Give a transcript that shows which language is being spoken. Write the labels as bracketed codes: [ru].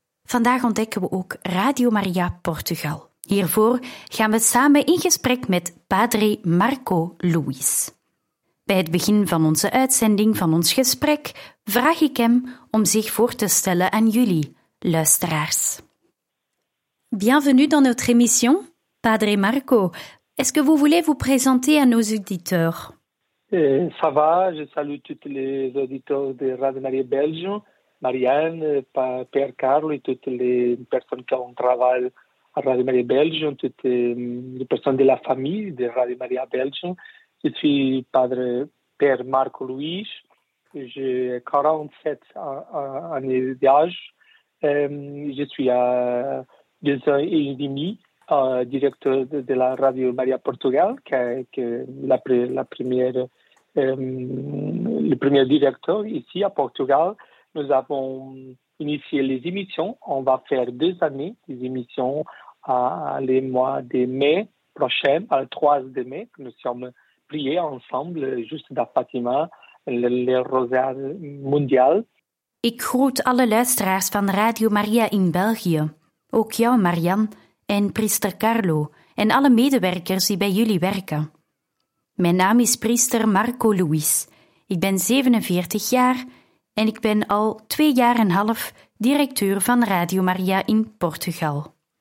[nl] Vandaag ontdekken we ook Radio Maria Portugal. Hiervoor gaan we samen in gesprek met Padre Marco Luis. Bij het begin van onze uitzending, van ons gesprek, vraag ik hem om zich voor te stellen aan jullie, luisteraars. [fr] Bienvenue dans notre émission, Padre Marco. Est-ce que vous voulez vous présenter à nos auditeurs? Ça va, je salue tous les auditeurs de Radio Maria Belgium, Marianne, Père Carlo et toutes les personnes qui ont travaillé à Radio Maria Belgium, toutes les personnes de la famille de Radio Maria Belgium. Je suis Padre Père Marco Luis, j'ai 47 années d'âge, je suis à 2 ans et demi. Directeur de la Radio Maria Portugal, le premier directeur ici à Portugal. Nous avons initié les émissions. On va faire 2 années des émissions les mois de mai prochain, à le 3 de mai. Nous sommes priés ensemble, juste dans Fatima, le rosaire mondial. [nl] Ik groet alle luisteraars van Radio Maria in België. Ook jou, Marianne. En priester Carlo, en alle medewerkers die bij jullie werken. Mijn naam is priester Marco Luis. Ik ben 47 jaar en ik ben al 2,5 jaar directeur van Radio Maria in Portugal.